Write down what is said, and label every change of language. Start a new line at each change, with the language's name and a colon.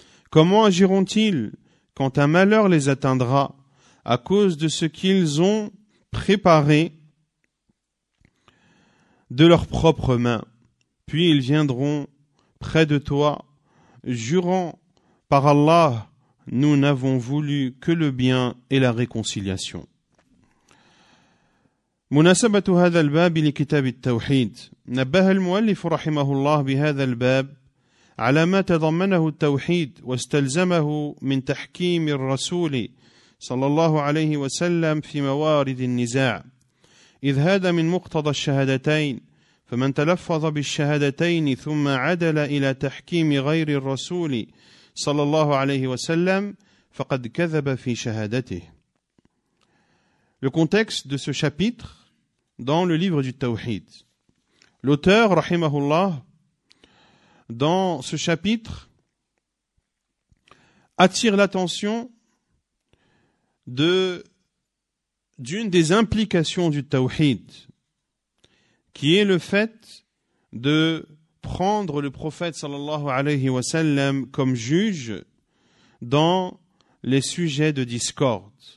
French: Comment agiront-ils quand un malheur les atteindra à cause de ce qu'ils ont préparé de leurs propres mains? Puis ils viendront près de toi, jurant Par Allah, nous n'avons voulu que le bien et la réconciliation.
Arabic: مناسبة هذا الباب لكتاب التوحيد نبه المؤلف رحمه الله بهذا الباب على ما تضمنه التوحيد واستلزمه من تحكيم الرسول صلى الله عليه وسلم في موارد النزاع إذ هذا من مقتضى الشهادتين فمن تلفظ بالشهادتين ثم عدل إلى تحكيم غير الرسول صلى الله عليه وسلم فقد كذب في شهادته.
French: Le contexte de ce chapitre dans le livre du Tawhid. L'auteur, rahimahullah, dans ce chapitre, attire l'attention d'une des implications du Tawhid, qui est le fait de prendre le prophète sallallahu alayhi wa sallam comme juge dans les sujets de discorde.